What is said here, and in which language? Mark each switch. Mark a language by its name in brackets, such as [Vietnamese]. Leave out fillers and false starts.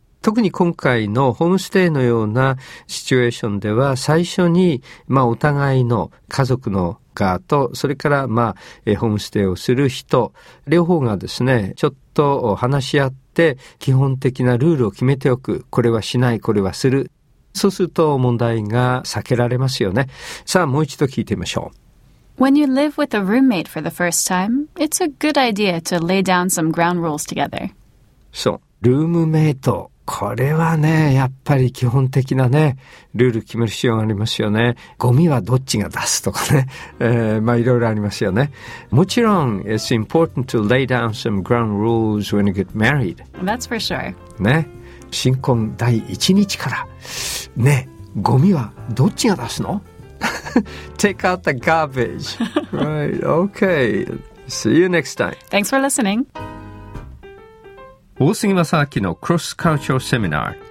[Japanese] 特に今回のホームステイのようなシチュエーションでは、最初にまあお互いの家族の側と、それからまあホームステイをする人両方がですね、ちょっと話し合ってて基本的なルールを決めておく。これはしない、これはする。そうすると問題が避けられますよね。さあ、もう一度聞いてみましょう。 [English] When you live with a roommate for the first time, it's a good idea to lay down some ground rules together. [Japanese] そう、ルームメイト。これはね、やっぱり基本的なね、ルール決める必要がありますよね。ゴミはどっちが出すとかね、まあいろいろありますよね。もちろん、 [English] it's important to lay down some ground rules when you get married. That's for sure. [Japanese] ね、新婚第一日から、ね、ゴミはどっちが出すの？ [English] Take out the garbage. Right, okay. See you next time. Thanks for listening. [Japanese] 大杉正明のクロスカルチャーセミナー。